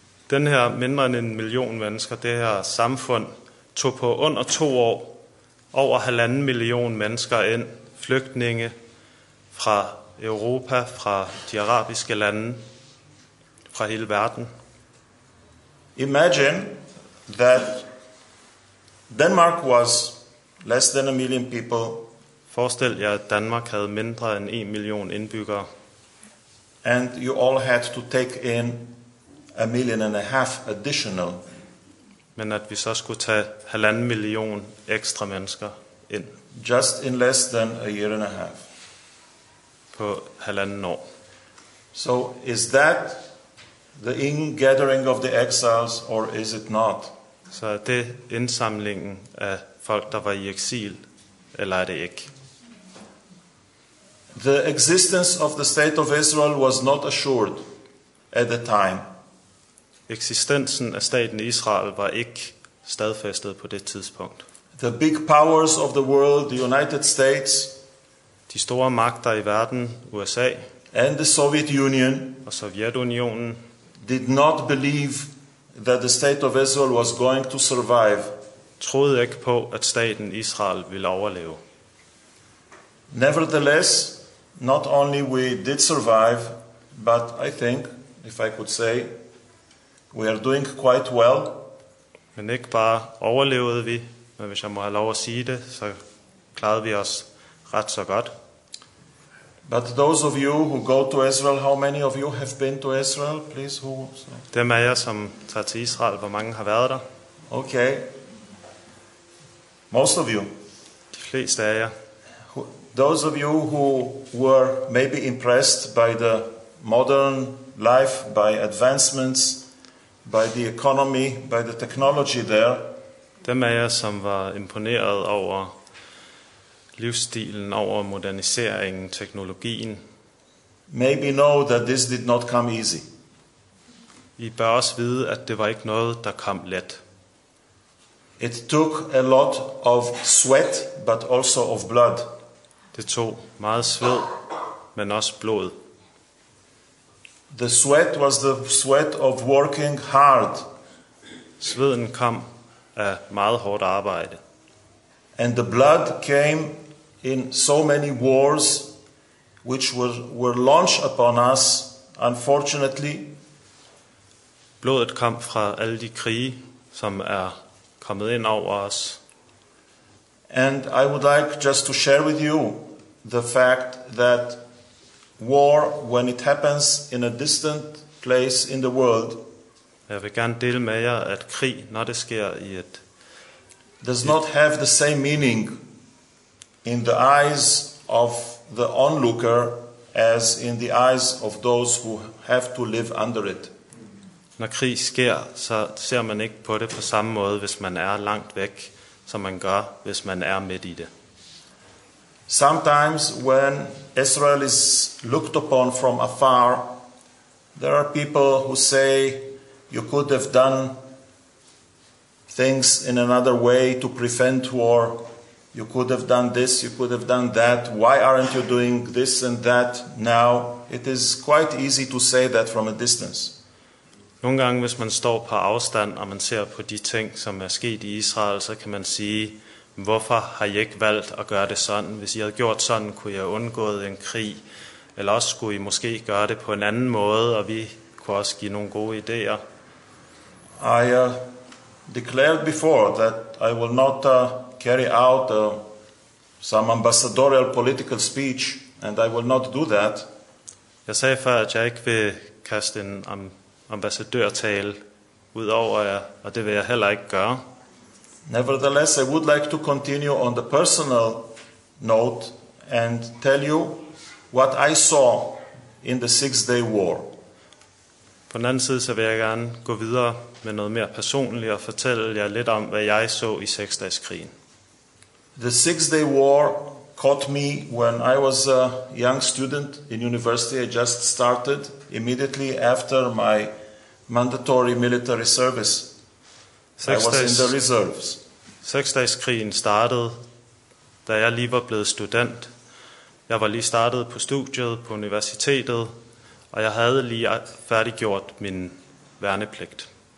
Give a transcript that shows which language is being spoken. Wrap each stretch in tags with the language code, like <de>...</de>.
<da>Den her mindre end 1 million mennesker, det her samfund, tog på under 2 år over 1.5 million mennesker ind, flygtninge fra Europa, fra de arabiske lande, fra hele verden.</da> <en>Imagine that Denmark was less than 1 million people.</en> <da>Forestil jer, at Danmark havde mindre end 1 million indbyggere.</da> <en>And you all had to take in 1.5 million additional.</en> <da>Men at vi så skulle tage 1.5 million ekstra mennesker ind.</da> <en>Just in less than 1.5 years.</en> <da>På 1.5 år.</da> <en>So is that the ingathering of the exiles, or is it not?</en> <da>Så er det indsamlingen af folk, der var i eksil, eller er det ikke?</da> <en>The existence of the state of Israel was not assured at the time.</en> <da>Eksistensen af staten Israel var ikke stadfæstet på det tidspunkt.</da> <en>The big powers of the world, the United States,</en> <da>de store magter i verden, USA,</da> <en>and the Soviet Union,</en> <da>og Sovjetunionen,</da> <en>did not believe that the state of Israel was going to survive.</en> <da>Troede ikke på, at staten Israel ville overleve.</da> <en>Nevertheless, not only we did survive, but I think, if I could say, we are doing quite well.</en> <da>Men ikke bare overlevede vi, men hvis jeg må have lov at sige det, så klarede vi os ret så godt.</da> <en>But those of you who go to Israel, how many of you have been to Israel, please? Who? So.</en> <da>Dem af jer, som tager til Israel, hvor mange har været der?</da> <en>Okay. Most of you.</en> <da>De fleste af jer.</da> <en>Those of you who were maybe impressed by the modern life, by advancements, by the economy, by the technology there.</en> <da>Dem af jer, som var imponeret over livsstilen, over moderniseringen, teknologien.</da> <en>Maybe know that this did not come easy.</en> <da>I bør også vide, at det var ikke noget, der kom let.</da> <en>It took a lot of sweat, but also of blood.</en> <da>Det tog meget sved, men også blod.</da> <en>The sweat was the sweat of working hard.</en> <da>Sveden kom af meget hårdt arbejde.</da> <en>And the blood came in so many wars which were launched upon us, unfortunately.</en> <da>Blodet kom fra alle de krige, som er kommet ind over os.</da> <en>And I would like just to share with you the fact that war, when it happens in a distant place in the world,</en> <da>jeg vil gerne dele med jer, at krig, når det sker i et</da> <en>does not have the same meaning in the eyes of the onlooker as in the eyes of those who have to live under it.</en> <da>Når krig sker, så ser man ikke på det på samme måde, hvis man er langt væk, som man gør, hvis man er midt i det.</da> <en>Sometimes when Israel is looked upon from afar, there are people who say you could have done things in another way to prevent war. You could have done this, you could have done that. Why aren't you doing this and that now? It is quite easy to say that from a distance.</en> <da>Nogle gange, hvis man står på afstand, og man ser på de ting, som er sket i Israel, så kan man sige, hvorfor har I ikke valgt at gøre det sådan? Hvis I havde gjort sådan, kunne I have undgået en krig, eller også skulle I måske gøre det på en anden måde, og vi kunne også give nogle gode idéer.</da> <en>I declared before that I will not carry out some ambassadorial political speech, and I will not do that.</en> <da>Jeg sagde før, at jeg ikke vil kaste en ambassadørtale udover jer, og det vil jeg heller ikke gøre.</da> <en>Nevertheless, I would like to continue on the personal note and tell you what I saw in the Six-Day War.</en> <da>På den anden side, så vil jeg gerne gå videre med noget mere personligt og fortælle jer lidt om, hvad jeg så i Seksdagskrigen.</da> <en>The Six-Day War caught me when I was a young student in university. I just started immediately after my mandatory military service. I was in the reserves.</en> <da>Seksdagskrigen startede, da jeg lige var blevet student. Jeg var lige startet på studiet på universitetet, og jeg havde lige færdiggjort min værnepligt.</da>